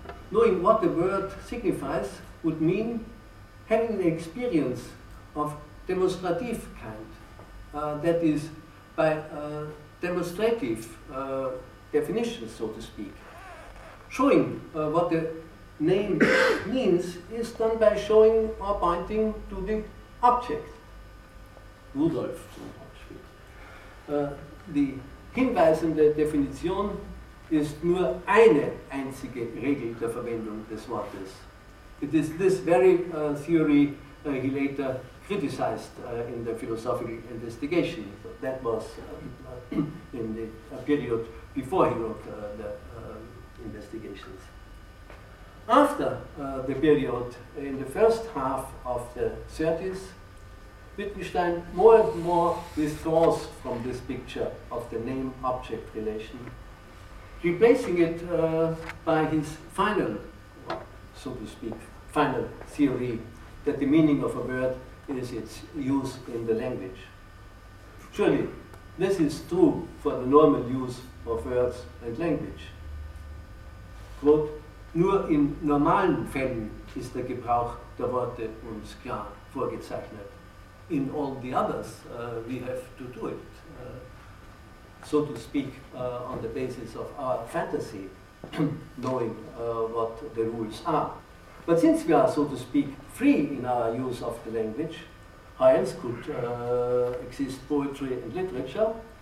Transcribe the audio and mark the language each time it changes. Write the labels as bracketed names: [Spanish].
[English] Knowing what the word signifies would mean having an experience of demonstrative kind, that is, by demonstrative definitions, so to speak. Showing what the name means is done by showing or pointing to the object. [German] Rudolf, zum Beispiel. Die hinweisende Definition ist nur eine einzige Regel der Verwendung des Wortes. [English] It is this very theory he later criticized in the philosophical investigation. That was in the period before he wrote the investigations. After the period, in the first half of the 30s, Wittgenstein more and more withdraws from this picture of the name-object relation, replacing it by his final, so to speak, final theory that the meaning of a word is its use in the language. Surely, this is true for the normal use of words and language. [German] Quote, nur in normalen Fällen ist der Gebrauch der Worte uns klar vorgezeichnet. [English] In all the others, we have to do it, so to speak, on the basis of our fantasy, knowing what the rules are. But since we are, so to speak, free in our use of the language, how else could exist poetry and literature?